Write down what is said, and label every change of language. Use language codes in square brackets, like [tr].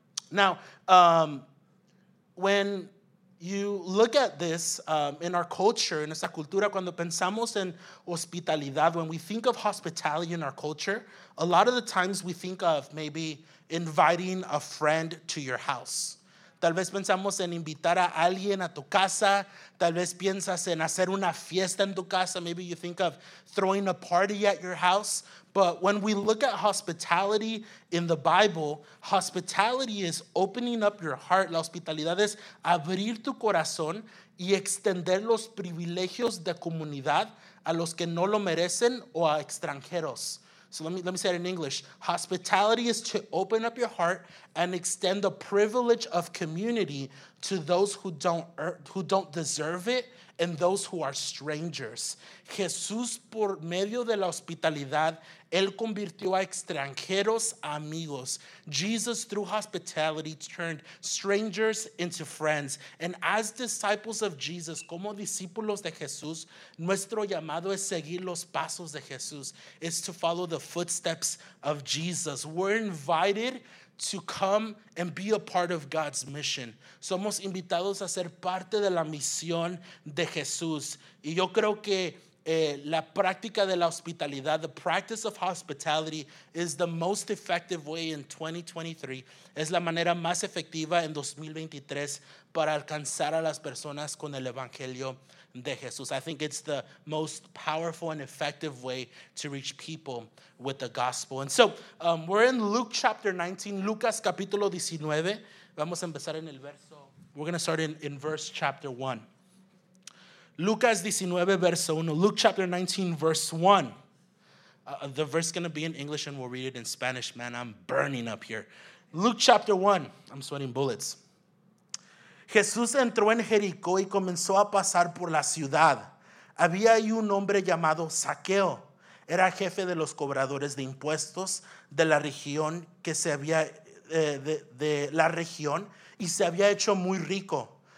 [en] Now, when you look at this in our culture, [es] in esa cultura, cuando pensamos en hospitalidad, [en] when we think of hospitality in our culture, a lot of the times we think of maybe inviting a friend to your house. [es] Tal vez pensamos en invitar a alguien a tu casa. Tal vez piensas en hacer una fiesta en tu casa. [en] Maybe you think of throwing a party at your house. But when we look at hospitality in the Bible, hospitality is opening up your heart. [es] La hospitalidad es abrir tu corazón y extender los privilegios de comunidad a los que no lo merecen o a extranjeros. [en] So let me say it in English. Hospitality is to open up your heart and extend the privilege of community to those who don't deserve it and those who are strangers. [es] Jesús, por medio de la hospitalidad, él convirtió a extranjeros amigos. [en] Jesus, through hospitality, turned strangers into friends. And as disciples of Jesus, [es] como discípulos de Jesús, nuestro llamado es seguir los pasos de Jesús. [en] It's to follow the footsteps of Jesus. We're invited to come and be a part of God's mission. [es] Somos invitados a ser parte de la misión de Jesús. Y yo creo que la práctica de la hospitalidad, [en] the practice of hospitality, is the most effective way in 2023. [es] Es la manera más efectiva en 2023 para alcanzar a las personas con el evangelio de Jesús. [en] I think it's the most powerful and effective way to reach people with the gospel. And so, we're in Luke chapter 19, [es] Lucas capítulo 19. Vamos a empezar en el verso. [en] We're going to start in verse chapter 1. [es] Lucas 19, verso 1. [en] Luke chapter 19, verse 1. The verse is going to be in English and we'll read it in Spanish. Man, I'm burning up here. Luke chapter 1. I'm sweating bullets. [es] Jesús entró en Jericó y comenzó a pasar por la ciudad. Había ahí un hombre llamado Zaqueo. Era jefe de los cobradores de impuestos de la región que se había, de la región y se había hecho muy rico.